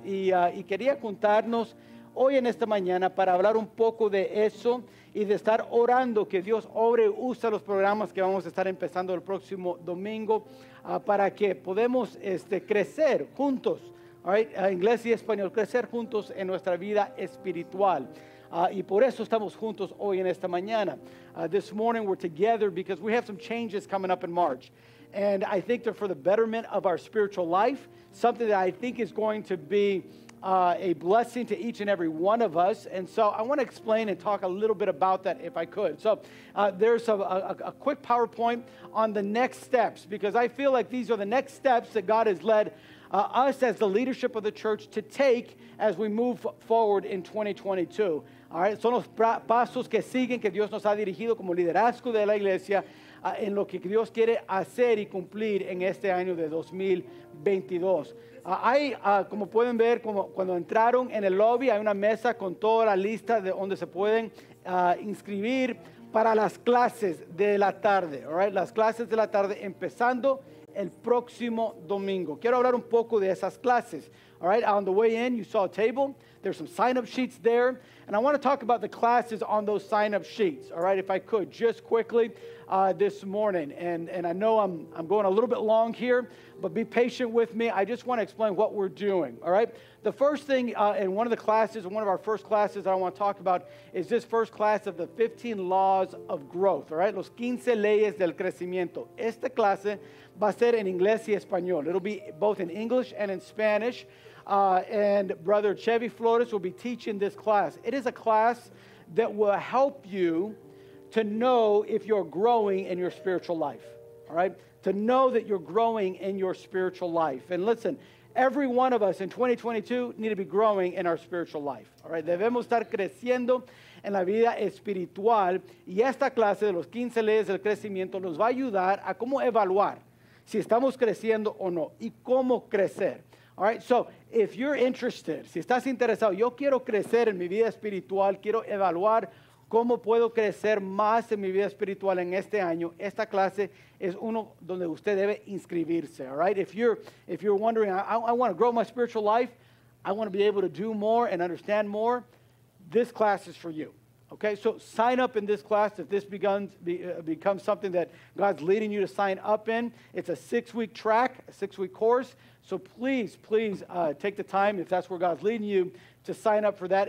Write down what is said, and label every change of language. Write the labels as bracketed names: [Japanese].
[Spanish] Y quería juntarnos hoy en esta mañana para hablar un poco de eso y de estar orando que Dios obre, usa los programas que vamos a estar empezando el próximo domingo para que podamos crecer juntos, right? Inglés y español, crecer juntos en nuestra vida espiritual. Y por eso estamos juntos hoy en esta mañana. [English] This morning we're together because we have some changes coming up in March. And I think they're for the betterment of our spiritual life, something that I think is going to be a blessing to each and every one of us. And so I want to explain and talk a little bit about that if I could. So there's a quick PowerPoint on the next steps, because I feel like these are the next steps that God has led us as the leadership of the church to take as we move forward in 2022. All right, [Spanish] son los pasos que siguen que Dios nos ha dirigido como liderazgo de la iglesia en lo que Dios quiere hacer y cumplir en este año de 2022. Como pueden ver, como cuando entraron en el lobby, hay una mesa con toda la lista de donde se pueden inscribir para las clases de la tarde. [English] All right, [Spanish] las clases de la tarde empezando el próximo domingo. Quiero hablar un poco de esas clases. [English] All right, on the way in, you saw a table. There's some sign-up sheets there. And I want to talk about the classes on those sign-up sheets, all right, if I could, just quickly this morning. And I know I'm going a little bit long here, but be patient with me. I just want to explain what we're doing, all right? The first thing in one of the classes, one of our first classes that I want to talk about is this first class of the 15 laws of growth, all right? [Spanish] Los 15 leyes del crecimiento. Esta clase va a ser en inglés y español. [English] It'll be both in English and in Spanish. And Brother Chevy Flores will be teaching this class. It is a class that will help you to know if you're growing in your spiritual life, all right? To know that you're growing in your spiritual life. And listen, every one of us in 2022 need to be growing in our spiritual life, all right? [Spanish] Debemos estar creciendo en la vida espiritual. Y esta clase de los 15 leyes del crecimiento nos va a ayudar a cómo evaluar si estamos creciendo o no y cómo crecer. [English] All right, so if you're interested, [Spanish] si estás interesado, yo quiero crecer en mi vida espiritual, quiero evaluar cómo puedo crecer más en mi vida espiritual en este año, esta clase es uno donde usted debe inscribirse, [English] all right? If you're wondering, I want to grow my spiritual life, I want to be able to do more and understand more, this class is for you, okay? So sign up in this class if this becomes something that God's leading you to sign up in. It's a six-week track, a six-week course. So please take the time, if that's where God's leading you, to sign up for that.